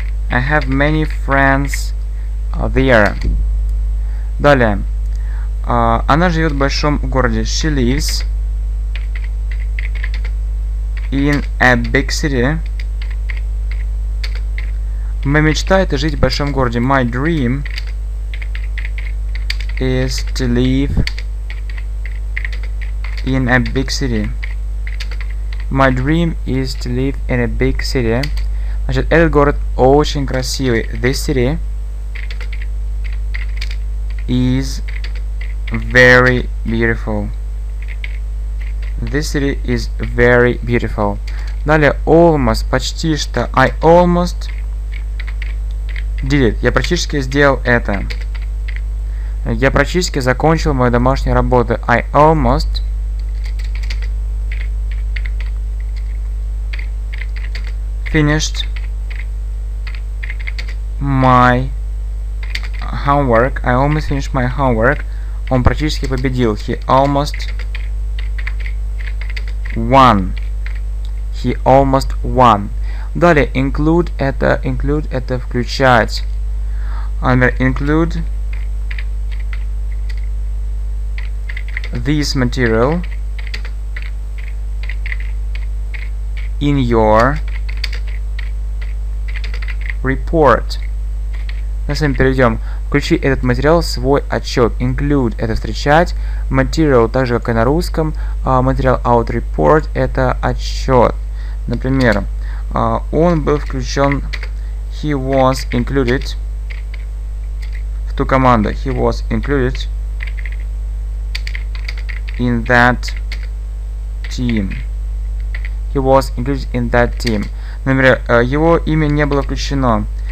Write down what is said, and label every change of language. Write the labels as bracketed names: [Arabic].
[English] I have many friends there. [Russian] Далее. Она живет в большом городе. [English] She lives in a big city. [Russian] Моя мечта – это жить в большом городе. [English] My dream is to live in a big city. My dream is to live in a big city. [Russian] Значит, этот город очень красивый. [English] This city is very beautiful. This city is very beautiful. [Russian] Далее, almost, почти что. [English] I almost did it. [Russian] Я практически сделал это. Я практически закончил мою домашнюю работу. [English] I almost finished my homework. I almost finished my homework. [Russian] Он практически победил. [English] He almost won. He almost won. [Russian] Далее, include это. Include это включать. Например, [English] include this material in your report. [Russian] Давайте перейдем. Включи этот материал в свой отчет. Include – это встречать. Material – так же, как и на русском. Материал out report – это отчет. Например, он был включен. [English] He was included [Russian] в ту команду. [English] He was included in that team. He was included in that team. [Russian] Например, его имя не было включено.